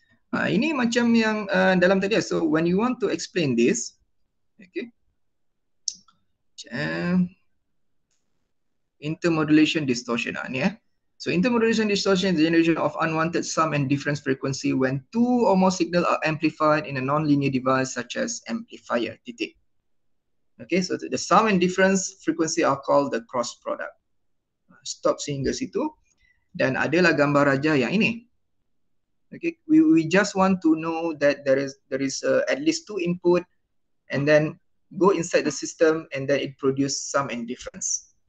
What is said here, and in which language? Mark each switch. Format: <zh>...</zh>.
<ms>Ini macam yang dalam tadi.</ms> <en>So when you want to explain this, okay, intermodulation distortion. So intermodulation distortion is the generation of unwanted sum and difference frequency when two or more signals are amplified in a non-linear device such as amplifier. Okay, so the sum and difference frequency are called the cross product.</en> <ms>Stop sehingga situ. Dan adalah gambar rajah yang ini.</ms> <en>Okay, we just want to know that there is at least two input, and then go inside the system, and then it produce sum and difference.</en>